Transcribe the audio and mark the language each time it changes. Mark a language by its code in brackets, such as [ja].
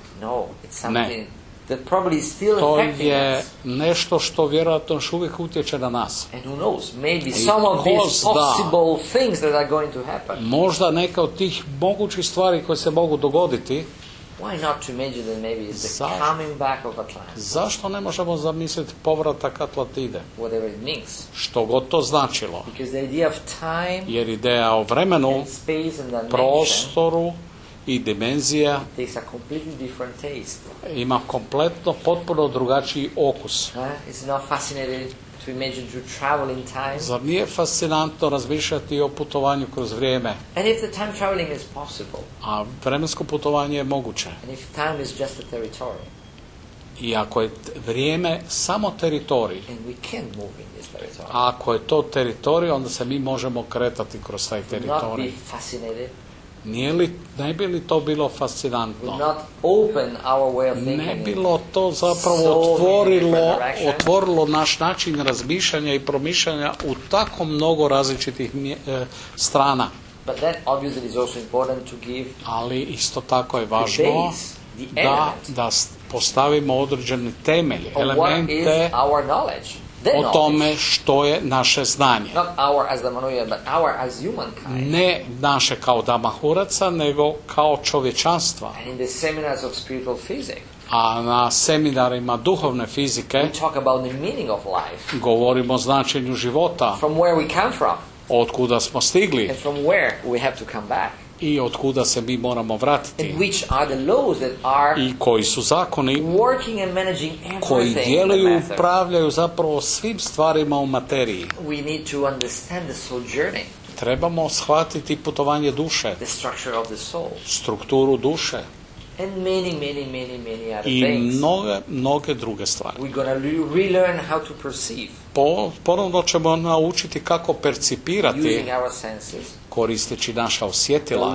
[en] No, it's something that probably still [hr] to [en] affecting [hr] je [en] us. [hr] Nešto što vjerojatno još uvijek utječe na nas. [en] And who knows, maybe some of these possible things that are going to happen. [hr] Možda neka od tih mogućih stvari koje se mogu dogoditi. [en] Why not to imagine that maybe it's the coming back of Atlantis? [hr] Zašto ne možemo zamisliti povratak Atlantide? [en] Whatever it means. [hr] Što god to značilo. [en] Because the idea of time, [hr] jer ideja o vremenu, [en] and space and dimension, [hr] prostoru i dimenzija, [en] it takes a completely different taste. [hr] Ima kompletno, potpuno drugačiji okus. [en] It's not fascinating to imagine to travel in time. [hr] Zar nije fascinantno razmišljati o putovanju kroz vrijeme? [en] And if the time traveling is possible. [hr] A vremensko putovanje je moguće. [en] And if time is just a territory. [hr] I ako je vrijeme samo teritorij. [en] And we can move in this territory. [hr] A ako je to teritorij, onda se mi možemo kretati kroz taj teritorij. [en] Not be fascinated. [hr] Ne bi li to bilo fascinantno? [en] Not open our way of thinking. [hr] Ne bilo to zapravo otvorilo naš način razmišljanja i promišljanja u tako mnogo različitih strana. [en] But that obviously is also important to give. [hr] Ali isto tako je važno [en] the base, the element, [hr] da postavimo određene temelje, elemente [en] what is our knowledge. [hr] o tome što je naše znanje. [en] Not our as the Manuja, but our as humankind. [hr] Ne naše kao Damahuraca, nego kao čovječanstva. [en] And in the seminars of spiritual physics. [hr] A na seminarima duhovne fizike [en] we talk about the meaning of life. [hr] Govorimo o značenju života. [en] From where we come from. [hr] Otkuda smo stigli. [en] And from where we have to come back. [hr] I otkuda se mi moramo vratiti. [en] And which are the laws that are [hr] i koji su zakoni [en] working and managing everything [hr] koji djeluju i upravljaju zapravo svim stvarima u materiji. [en] We need to understand the soul journey. [hr] Trebamo shvatiti putovanje duše. [en] The structure of the soul. [hr] Strukturu duše. [en] And many other things. [hr] I mnoge druge stvari. [en] We're gonna relearn how to perceive. [hr] Ponovno ćemo naučiti kako percipirati [en] using our senses. [hr] Koristeći naša osjetila.